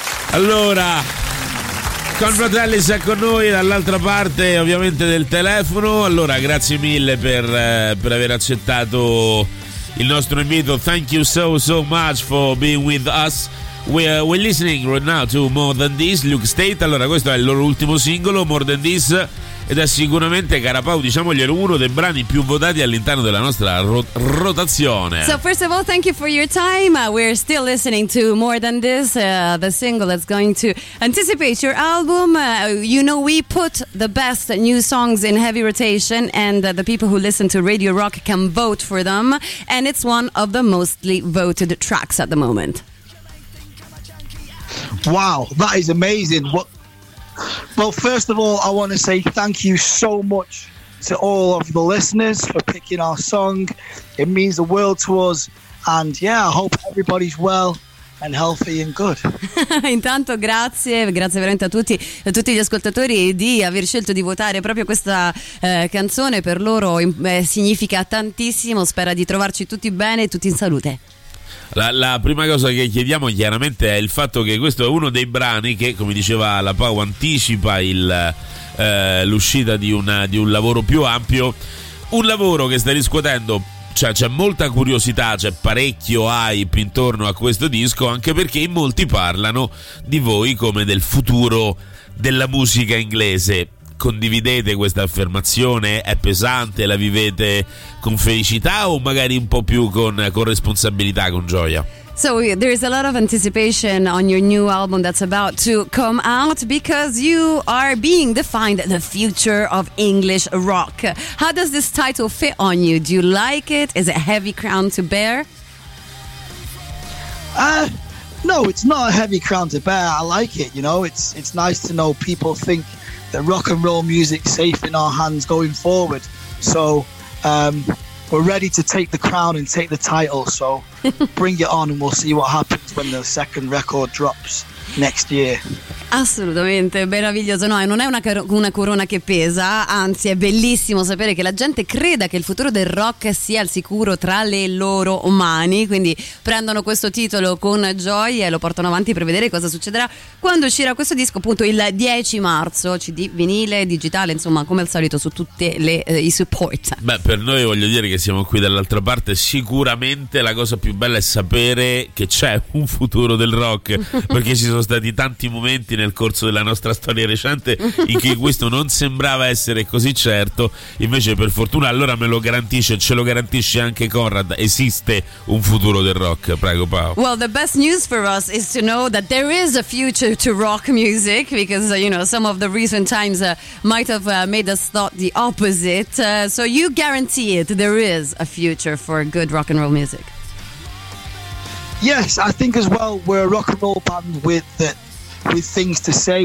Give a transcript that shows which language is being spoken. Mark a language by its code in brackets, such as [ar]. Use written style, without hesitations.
[it] Allora, Conrad Ellis è con noi dall'altra parte ovviamente del telefono. Allora, grazie mille per aver accettato il nostro invito. [en] Thank you so so much for being with us. We're listening right now to More Than This, Luke State. [it] Allora, questo è il loro ultimo singolo, More Than This, ed è sicuramente, cara Pau, diciamoglielo, uno dei brani più votati all'interno della nostra rotazione. [en] So first of all, thank you for your time. We're still listening to More Than This, the single that's going to anticipate your album. You know, we put the best new songs in heavy rotation, and the people who listen to Radio Rock can vote for them, and it's one of the mostly voted tracks at the moment. Wow, that is amazing. What? Well, first of all, I want to say thank you so much to all of the listeners for picking our song. It means the world to us, and yeah, I hope everybody's well and healthy and good. [it] Intanto grazie veramente a tutti gli ascoltatori di aver scelto di votare proprio questa canzone. Per loro significa tantissimo. Spera di trovarci tutti bene e tutti in salute. La prima cosa che chiediamo chiaramente è il fatto che questo è uno dei brani che, come diceva la Pau, anticipa l'uscita di un lavoro più ampio, un lavoro che sta riscuotendo, cioè c'è molta curiosità, c'è parecchio hype intorno a questo disco, anche perché in molti parlano di voi come del futuro della musica inglese. Condividete questa affermazione? È pesante? La vivete con felicità o magari un po' più con responsabilità, con gioia? [en] So there is a lot of anticipation on your new album that's about to come out, because you are being defined the future of English rock. How does this title fit on you? Do you like it? Is it a heavy crown to bear? No, it's not a heavy crown to bear. I like it, you know. It's nice to know people think the rock and roll music safe in our hands going forward, so we're ready to take the crown and take the title, so bring it on, and we'll see what happens when the second record drops next year. [it] Assolutamente meraviglioso. No, non è una corona che pesa, anzi è bellissimo sapere che la gente creda che il futuro del rock sia al sicuro tra le loro mani, quindi prendono questo titolo con gioia e lo portano avanti per vedere cosa succederà quando uscirà questo disco, appunto il 10 marzo, CD, vinile, digitale, insomma come al solito su tutte le i support. Beh, per noi, voglio dire, che siamo qui dall'altra parte, sicuramente la cosa più bella è sapere che c'è un futuro del rock, perché ci sono stati tanti momenti nel corso della nostra storia recente in cui questo non sembrava essere così certo, invece per fortuna allora me lo garantisce, ce lo garantisce anche Conrad, esiste un futuro del rock. Prego Pao. [en] Well, the best news for us is to know that there is a future to rock music, because you know, some of the recent times might have made us thought the opposite, so you guarantee it, there is a future for good rock and roll music. Yes, I think as well we're a rock and roll band with things to say.